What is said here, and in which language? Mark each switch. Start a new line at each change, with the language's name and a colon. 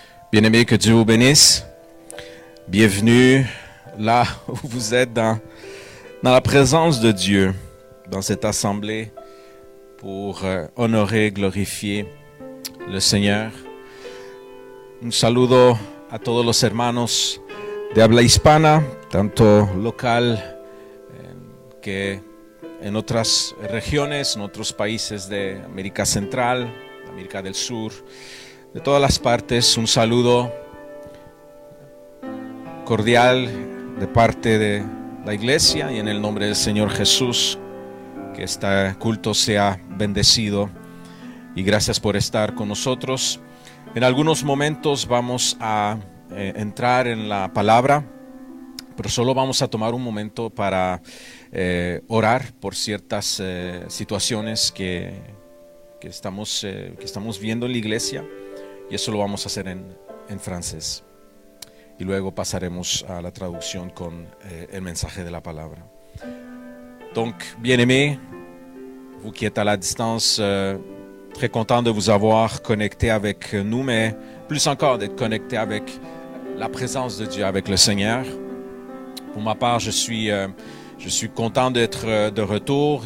French: Bien-aimé, que Dieu vous bénisse. Bienvenue là où vous êtes dans la présence de Dieu, dans cette assemblée, pour honorer, glorifier le Seigneur.
Spanish: Un saludo a todos los hermanos de habla hispana, tanto local que en otras regiones, en otros países de América Central, América del Sur. De todas las partes, un saludo cordial de parte de la iglesia y en el nombre del Señor Jesús, que este culto sea bendecido y gracias por estar con nosotros. En algunos momentos vamos a entrar en la palabra, pero solo vamos a tomar un momento para orar por ciertas situaciones que estamos viendo en la iglesia. Y eso lo vamos a hacer en francés. Y luego pasaremos a la traducción con el mensaje de la palabra.
French: Donc, bien-aimé, vous qui êtes à la distance, très content de vous avoir connecté avec nous, mais plus encore d'être connecté avec la présence de Dieu, avec le Seigneur. Pour ma part, je suis content d'être de retour.